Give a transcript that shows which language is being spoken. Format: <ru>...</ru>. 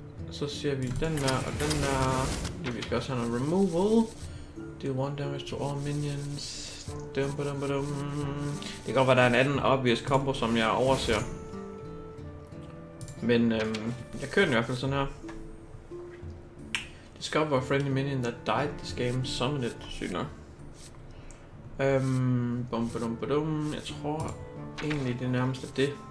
<da>Så siger vi den der og den der. Det vi skal også have noget removal.</da> <en>Deal 1 damage to all minions. Dum ba dum ba dum.</en> <da>Det kan godt være, der er en anden obvious combo, som jeg overser. Men jeg kører den i hvert fald sådan her.</da> <en>Discover a friendly minion that died this game, summon it,</en> <da>sygt nok. Bum ba dum ba dum. Jeg tror egentlig, det er nærmest af det.</da>